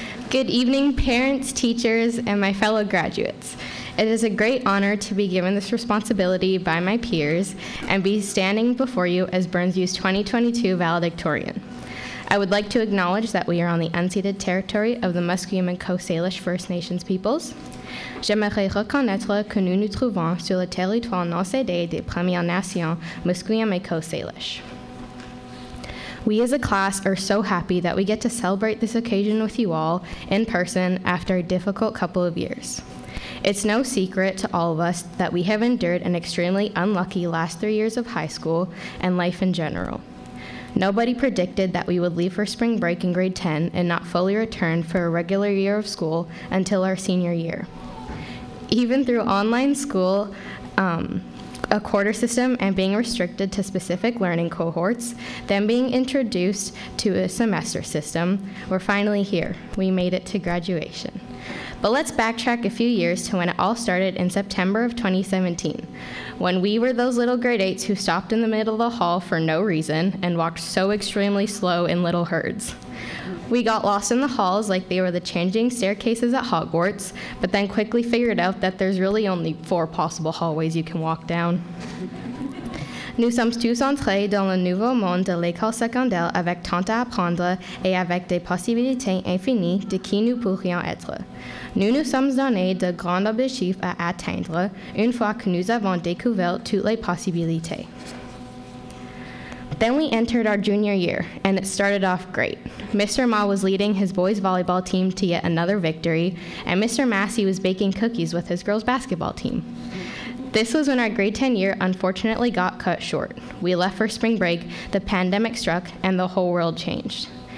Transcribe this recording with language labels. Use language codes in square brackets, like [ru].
[en] Good evening, parents, teachers, and my fellow graduates. It is a great honor to be given this responsibility by my peers and be standing before you as Burnsview's 2022 valedictorian. I would like to acknowledge that we are on the unceded territory of the Musqueam and Coast Salish First Nations peoples. [fr] J'aimerais reconnaître que nous nous trouvons sur le territoire non cédé des Premières Nations Musqueam et Coast Salish. [en] We as a class are so happy that we get to celebrate this occasion with you all in person after a difficult couple of years. It's no secret to all of us that we have endured an extremely unlucky last 3 years of high school and life in general. Nobody predicted that we would leave for spring break in grade 10 and not fully return for a regular year of school until our senior year. Even through online school, a quarter system and being restricted to specific learning cohorts, then being introduced to a semester system, we're finally here. We made it to graduation. But let's backtrack a few years to when it all started in September of 2017, when we were those little grade eights who stopped in the middle of the hall for no reason and walked so extremely slow in little herds. We got lost in the halls like they were the changing staircases at Hogwarts, but then quickly figured out that there's really only four possible hallways you can walk down. [fr] Nous sommes tous entrés dans le nouveau monde de l'école secondaire avec tant à apprendre et avec des possibilités infinies de qui nous pourrions être. Nous nous sommes donné de grands objectifs à atteindre une fois que nous avons découvert toutes les possibilités. [en] Then we entered our junior year, and it started off great. Mr. Ma was leading his boys' volleyball team to yet another victory, and Mr. Massey was baking cookies with his girls' basketball team. This was when our grade 10 year unfortunately got cut short. We left for spring break, the pandemic struck, and the whole world changed.